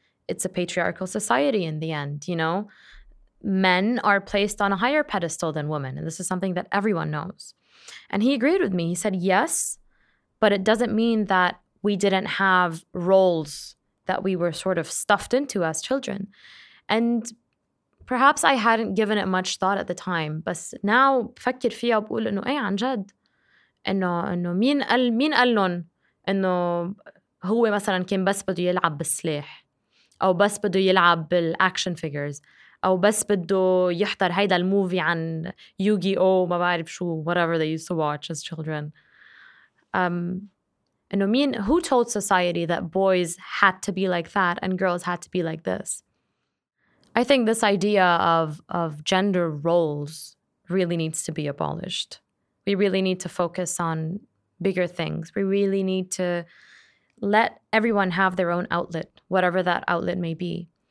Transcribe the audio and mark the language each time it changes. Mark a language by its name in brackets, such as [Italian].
[English] It's a patriarchal society in the end, you know? Men are placed on a higher pedestal than women, and this is something that everyone knows. And he agreed with me. He said, yes, but it doesn't mean that we didn't have roles that we were sort of stuffed into as children. And perhaps I hadn't given it much thought at the time, but now [Arabic] فكر فيها بقول إنه إيه عن جد إنه مين قالن إنه هو مثلاً كان بس بده يلعب بالسلاح أو بس بده يلعب بالأكشن فيجرز أو بس بده يحضر هيدا الموفي عن يوغي أو ما بعرف شو [English] whatever they used to watch as children. Who told society that boys had to be like that and girls had to be like this? I think this idea of gender roles really needs to be abolished. We really need to focus on bigger things. We really need to let everyone have their own outlet, whatever that outlet may be.